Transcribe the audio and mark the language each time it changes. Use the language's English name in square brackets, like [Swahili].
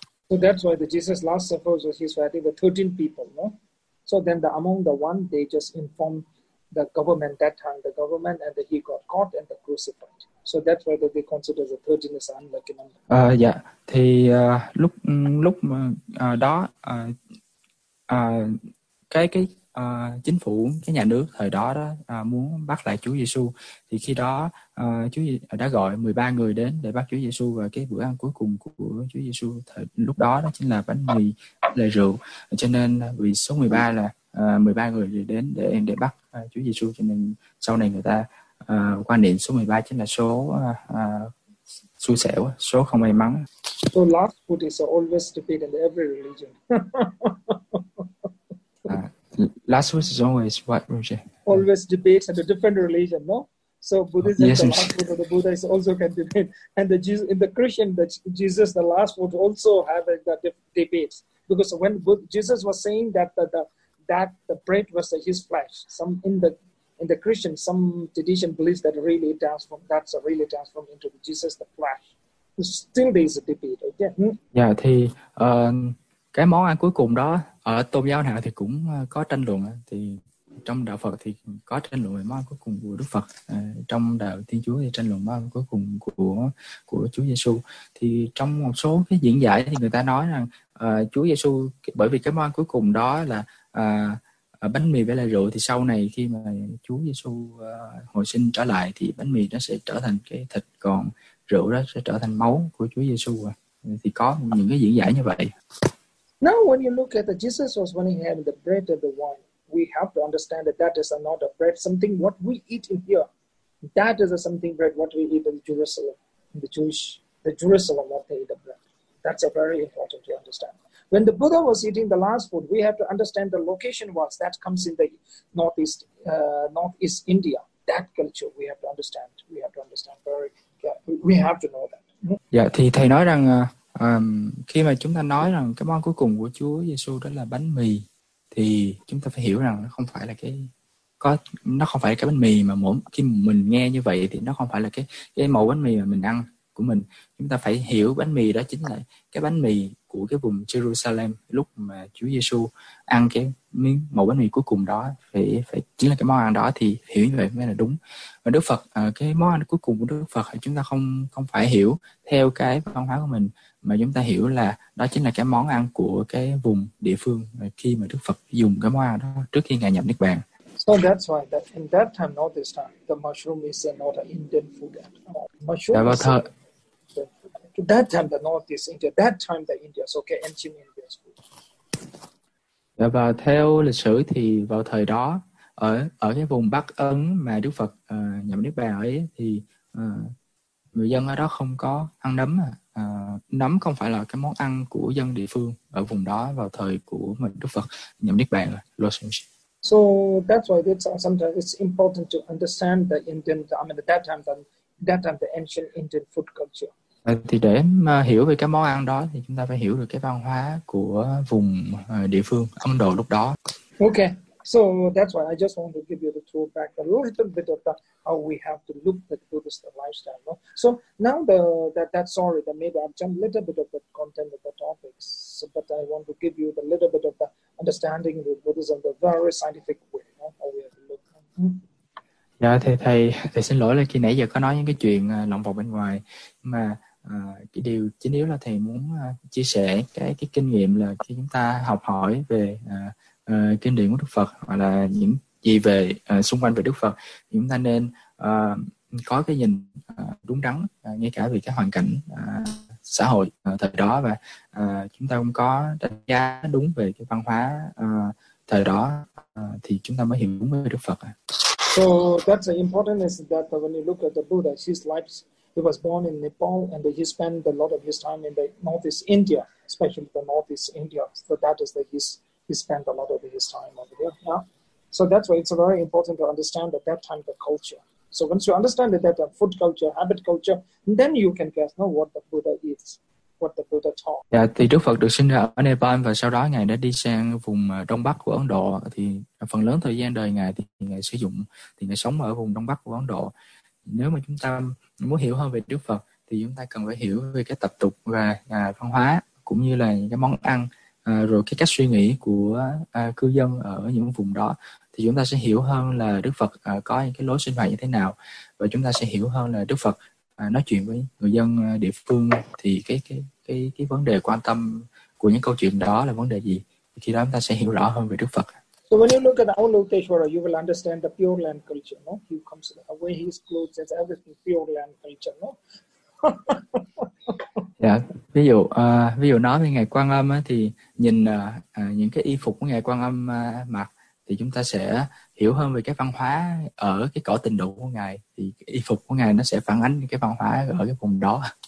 [English] So that's why the Jesus last supper was his wedding with 13 people, no? So then the among the one they just informed the government that time the government and that he got caught and the crucified. So that's why that they consider the 13 as an unlucky number. [Vietnamese] Dạ thì lúc lúc mà đó cái chính phủ cái nhà nước thời đó đó muốn bắt lại Chúa Giêsu, thì khi đó Chúa đã gọi 13 người đến để bắt Chúa Giêsu, và cái bữa ăn cuối cùng của Chúa Giêsu thời lúc đó đó chính là bánh mì lại rượu, cho nên vì số 13 là 13 người đến để bắt Chúa Giêsu, cho nên sau này người ta quan niệm số 13 chính là số xui xẻo, số không may mắn. [English] So last food is always stupid in every religion. Last was always what, Always debates at a different religion, no? So Buddhism, the last Yes. food of the Buddha is also can debate. And the Jesus, in the Christian, the Jesus, the last food also have the debates. Because when Jesus was saying that the bread was his flesh, some in the Christian, some tradition believes that really transformed, that's a really transformed into the Jesus, the flesh. Still there is a debate, okay? [Vietnamese] Yeah, thì cái món ăn cuối cùng đó ở tôn giáo nào thì cũng có tranh luận, thì trong đạo Phật thì có tranh luận về món ăn cuối cùng của Đức Phật, trong đạo Thiên Chúa thì tranh luận món ăn cuối cùng của Chúa Giêsu. Thì trong một số cái diễn giải thì người ta nói rằng Chúa Giêsu, bởi vì cái món ăn cuối cùng đó là bánh mì với lại rượu, thì sau này khi mà Chúa Giêsu hồi sinh trở lại thì bánh mì nó sẽ trở thành cái thịt, còn rượu đó sẽ trở thành máu của Chúa Giêsu, thì có những cái diễn giải như vậy. [English] Now, when you look at the Jesus was when he had the bread and the wine, we have to understand that that is not a bread, something what we eat in here. That is a something bread what we eat in Jerusalem, in the Jewish, the Jerusalem what they eat the bread. That's a very important to understand. When the Buddha was eating the last food, we have to understand the location was that comes in the northeast, northeast India. That culture we have to understand. We have to understand very. Yeah, we have to know that. [Vietnamese] Dạ thì thầy nói rằng khi mà chúng ta nói rằng cái món cuối cùng của Chúa Giêsu đó là bánh mì, thì chúng ta phải hiểu rằng nó không phải là cái có nó không phải là cái bánh mì mà mỗi khi mình nghe như vậy thì nó không phải là cái mẫu bánh mì mà mình ăn của mình. Chúng ta phải hiểu bánh mì đó chính là cái bánh mì của cái vùng Jerusalem lúc mà Chúa Giêsu ăn cái miếng mẫu bánh mì cuối cùng đó, phải phải chính là cái món ăn đó, thì hiểu như vậy mới là đúng. Và Đức Phật, cái món ăn cuối cùng của Đức Phật chúng ta không không phải hiểu theo cái văn hóa của mình, mà chúng ta hiểu là đó chính là cái món ăn của cái vùng địa phương khi mà Đức Phật dùng cái món ăn đó trước khi Ngài nhập Niết Bàn. [English] So that's why that in that time, not this time, the mushroom is not an Indian food at all. Mushroom [Vietnamese] Dạ vâng [English] is [Vietnamese] thưa. [English] that time the northeast India, that time the India, so okay, ancient India's food. [Vietnamese] Và theo lịch sử thì vào thời đó ở ở cái vùng Bắc Ấn mà Đức Phật nhập Niết Bàn ấy, thì người dân ở đó không có ăn nấm. Nấm không phải là cái món ăn của dân địa phương ở vùng đó vào thời của mình Đức Phật nhập Niết Bàn rồi. [English] So that's why it's sometimes it's important to understand the Indian, I mean, at that time the ancient Indian food culture. [Vietnamese] Thì để hiểu về cái món ăn đó thì chúng ta phải hiểu được cái văn hóa của vùng địa phương Ấn Độ lúc đó. [English] Okay, so that's why I just want to give you the tour back a little bit of the how we have to look at the Buddhist lifestyle. No? So now the that sorry that maybe I've jumped a little bit of the content of the topics, but I want to give you the little bit of the understanding of the Buddhism the very scientific way, no? How we have to look. [Vietnamese] Dạ thầy xin lỗi là khi nãy giờ có nói những cái chuyện lộn vòng bên ngoài, mà cái điều chính yếu là thầy muốn chia sẻ cái kinh nghiệm là khi chúng ta học hỏi về kinh điển của Đức Phật hoặc là những gì về xung quanh về Đức Phật, thì chúng ta nên có cái nhìn đúng đắn ngay cả về cái hoàn cảnh xã hội thời đó, và chúng ta cũng có đánh giá đúng về cái văn hóa thời đó thì chúng ta mới hiểu đúng về Đức Phật. [English] So that's the important is that when you look at the Buddha, his life, he was born in Nepal and he spent a lot of his time in the Northeast India, especially the Northeast India. So that is that he spent a lot of his time over there. Yeah. So that's why it's very important to understand at that time the culture. So once you understand that the food culture, habit culture, then you can guess know what the Buddha is, what the Buddha taught. [Vietnamese] Dạ, thì Đức Phật được sinh ra ở Nepal và sau đó Ngài đã đi sang vùng Đông Bắc của Ấn Độ. Thì phần lớn thời gian đời Ngài thì Ngài sử dụng, thì Ngài sống ở vùng Đông Bắc của Ấn Độ. Nếu mà chúng ta muốn hiểu hơn về Đức Phật thì chúng ta cần phải hiểu về cái tập tục và văn hóa cũng như là những cái món ăn, rồi cái cách suy nghĩ của cư dân ở những vùng đó. Thì chúng ta sẽ hiểu hơn là Đức Phật có những cái lối sinh hoạt như thế nào, và chúng ta sẽ hiểu hơn là Đức Phật nói chuyện với người dân địa phương thì cái vấn đề quan tâm của những câu chuyện đó là vấn đề gì. Khi đó chúng ta sẽ hiểu rõ hơn về Đức Phật. [English] So when you look at our Lokeshwara, you will understand the Pure Land culture, no? He comes the way his clothes is everything Pure Land culture, no? [Vietnamese] Dạ, ví dụ nói về Ngài Quan Âm á, thì nhìn những cái y phục của Ngài Quan Âm mặc thì chúng ta sẽ hiểu hơn về cái văn hóa ở cái cõi Tịnh Độ của Ngài, thì cái y phục của Ngài nó sẽ phản ánh cái văn hóa ở cái vùng đó.